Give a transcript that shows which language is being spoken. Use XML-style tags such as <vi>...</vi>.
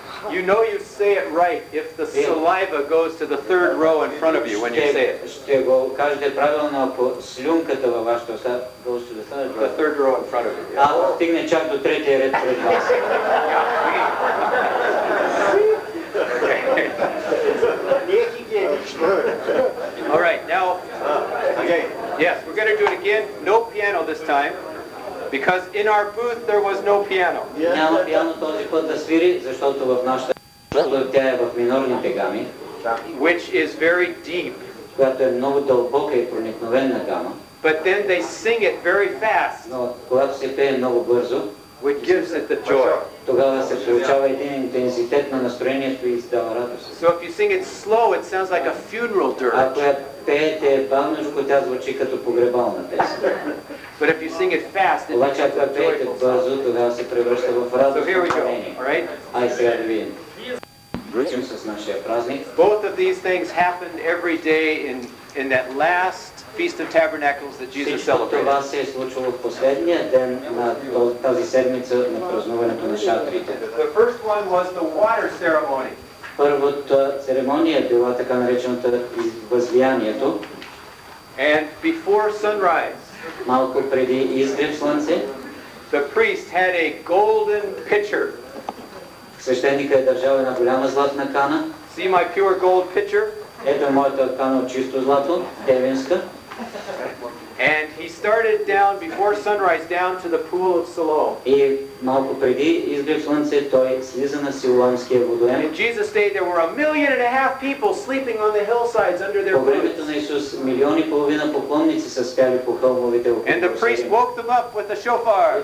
<en>You know you say it right if the saliva goes to the third row in front of you when you say it.</en> <bg>Ще го кажете правилно, ако слюнката във вашето уста</bg> <en>goes to the third row in front of you.</en> <bg>А стигне чак до третия ред пред вас.</bg> <en>All right, now, okay. Yes, we're going to do it again. No piano this time, because in our booth there was no piano.</en> <bg>Няма пиано този път да свири, защото в нашата тя е в минорните гами,</bg> <en>which is very deep.</en> <bg>Която е много дълбока и проникновена гама.</bg> <en>But then they sing it very fast.</en> <bg>Но когато се пее много бързо,</bg> <en>which gives it the joy.</en> <bg>Тогава се получава един интензитет на настроението и издава радост.</bg> <en>So if you sing it slow, it sounds like a funeral dirge.</en> <bg>Ако пеете бавно, тя звучи като погребална песен.</bg> <en>But if you sing it fast, it becomes joyful.</en> <bg>Ако пеете бързо, тогава се превръща в радост.</bg> <en>So here we go. All right.</en> <bg>Ай сега да видим. Връчим с нашия празник.</bg> <en>Both of these things happened every day in that last Feast of Tabernacles that Jesus celebrated.</en> <bg>Това се е случило в последния ден на тази седмица на празнуването на шатрите.</bg> <en>The first one was the water ceremony.</en> <bg>Първата церемония била така наречената възлиянието.</bg> <en>And before sunrise,</en> <bg>малко преди изгрев слънце,</bg> <en>the priest had a golden pitcher.</en> <bg>Свещеника е държал една голяма златна кана.</bg> <en>See my pure gold pitcher?</en> <bg>Ето моята кана от чисто злато, девенска.</bg> <en>And he started down before sunrise down to the pool of Siloam.</en> <bg>И малко преди изгрев слънце той слиза на Силоамския водоем.</bg> <en>And Jesus stayed there were 1.5 million people sleeping on the hillsides under their roofs.</en> <bg>По времето на Исус 1.5 милиона поклонници са спяли по хълмовите.</bg> <en>And the priest woke them up with the shofar.</en>